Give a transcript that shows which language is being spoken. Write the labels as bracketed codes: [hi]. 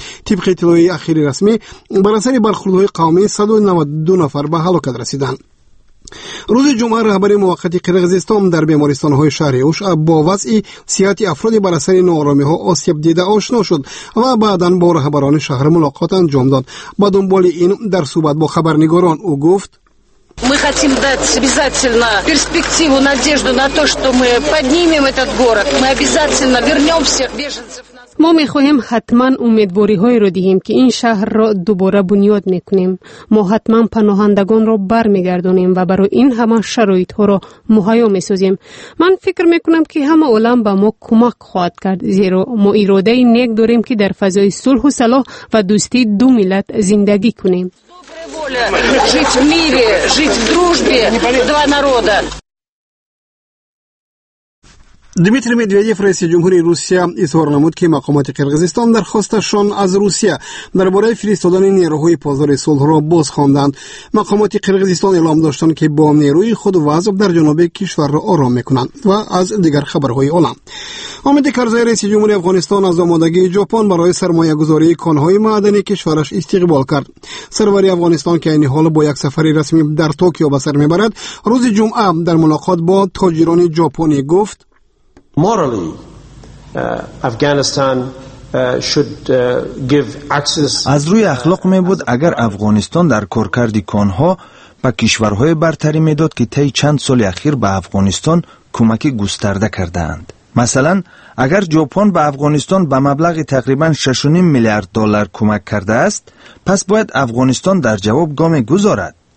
[fa] طبق اطلاع اخیر رسمی، بر اثر برخوردهای قومی 192 نفر به هلاکت رسیدند. روز جمعه رهبری موقتی قرقیزستان در بیمارستان های شهر اوش با وضع صحت افراد بر اثر نارامی ها آسیب دیده آشنا شد و بعدن با رهبران شهر ملاقات انجام داد. با دنبال این در صحبت با خبرنگاران او گفت: [ru] Мы хотим дать обязательно перспективу, надежду на то, что мы поднимем этот город. Мы обязательно вернем всех беженцев. Мы [fa] میخواهیم حتما امیدواری‌های را دهیم که این شهر را دوباره بنیاد میکنیم. ما حتما پناهندگان را برمیگردانیم و برای این همه شرایط ها را مهیا میسازیم. من فکر میکنم که همه عالم به ما کمک خواهد کرد، زیرا ما اراده نیک داریم که در فضای صلح و صلاح و دوستی دو ملت زندگی کنیم. [ru] Жить в мире, жить в дружбе, два народа. [fa] دمیتری مدودیف، رئیس جمهوری روسیه، اظهار نمود که مقامات قرقیزستان درخواستشان از روسیه درباره فرستادن نیروهای پاسدار صلح را باز خواندند. مقامات قرقیزستان اعلام داشتند که با نیروی خود وضع در جنوب کشور را آرام میکنند. و از دیگر خبرهای عالم، حامد کرزی، رئیس جمهوری افغانستان، از آمادگی ژاپن برای سرمایه گذاری کانهای معدنی کشورش استقبال کرد. سروری افغانستان که این حال با یک سفر رسمی در توکیو به سر میبرد، روز جمعه در ملاقات با تاجران ژاپنی گفت: [en] Morally, Afghanistan should give access. [fa] از روی اخلاق می بود اگر افغانستان در کارکرد کانها به کشورهای برتری می داد که طی چند سال اخیر به افغانستان کمک گسترده کرده اند. مثلا اگر ژاپن به افغانستان به مبلغ تقریبا 6.5 میلیارد دلار کمک کرده است، پس باید افغانستان در جواب گام گذارد.